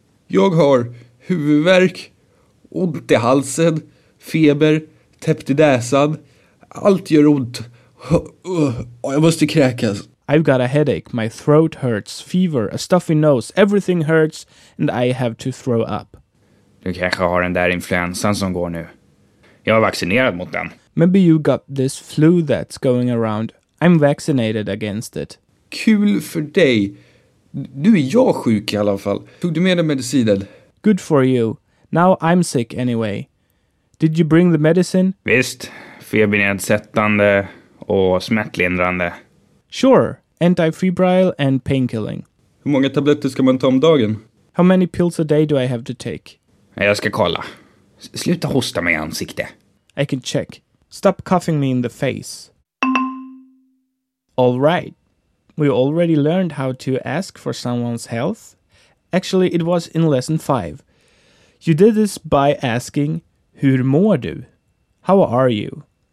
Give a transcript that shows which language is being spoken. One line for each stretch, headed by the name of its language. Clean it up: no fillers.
Swedish: Jag har huvudvärk, ont i halsen, feber, täppt i näsan. Allt gör ont. Jag måste kräkas.
English: I've got a headache. My throat hurts. Fever. A stuffy nose. Everything hurts. And I have to throw up.
Swedish: Du kanske har den där influensan som går nu. Jag är vaccinerad mot den.
English: Maybe you got this flu that's going around. I'm vaccinated against it.
Swedish: Kul för dig. Nu är jag sjuk i alla fall. Tog du med dig medicinen?
English: Good for you. Now I'm sick anyway. Did you bring the medicine?
Swedish: Visst, febernedsättande och smärtlindrande.
English: Sure, antifebrile and painkilling.
Swedish: Hur många tabletter ska man ta om dagen?
English: How many pills a day do I have to take?
Swedish: Jag ska kolla. Sluta hosta mig i ansiktet.
English: I can check. Stop coughing me in the face. All right. We already learned how to ask for someone's health. Actually, it was in lesson 5. You did this by asking,
Swedish: hur mår du?
English: How are you?